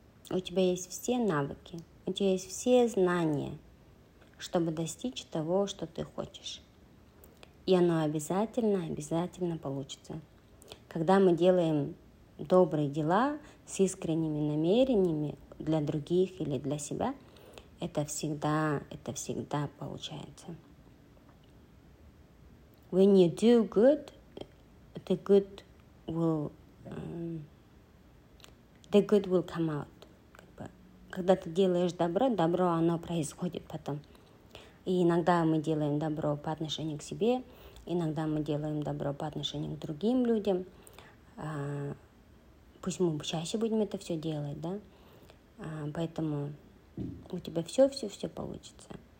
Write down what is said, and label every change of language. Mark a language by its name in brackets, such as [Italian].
[Russian] У тебя есть все навыки, у тебя есть все знания, чтобы достичь того, что ты хочешь. И оно обязательно, обязательно получится. Когда мы делаем добрые дела с искренними намерениями для других или для себя, это всегда получается. [English] When you do good, the good will come out. [Russian] Когда ты делаешь добро, добро оно происходит потом. И иногда мы делаем добро по отношению к себе, иногда мы делаем добро по отношению к другим людям. Пусть мы чаще будем это все делать, да? Поэтому у тебя все-все-все получится.